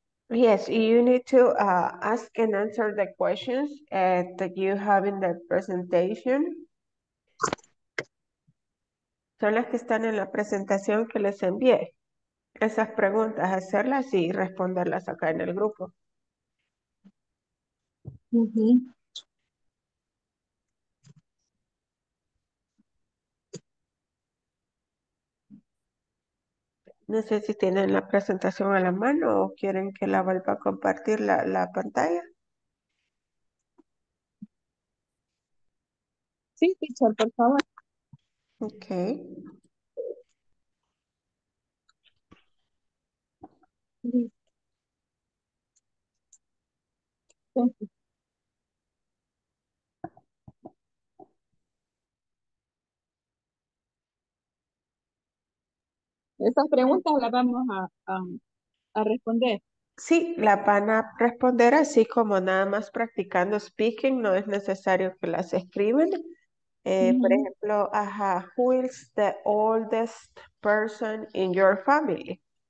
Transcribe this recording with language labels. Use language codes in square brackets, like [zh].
[en] Yes, you need to ask and answer the questions that you have in the presentation. [es] Son las que están en la presentación que les envié. Esas preguntas, hacerlas y responderlas acá en el grupo. No sé si tienen la presentación a la mano o quieren que la vuelva a compartir la pantalla. Sí, teacher, por favor. Okay. Esas preguntas las vamos a responder. Sí, la van a responder así como nada más practicando speaking, no es necesario que las escriban. Por ejemplo, [en] who is the oldest person in your family?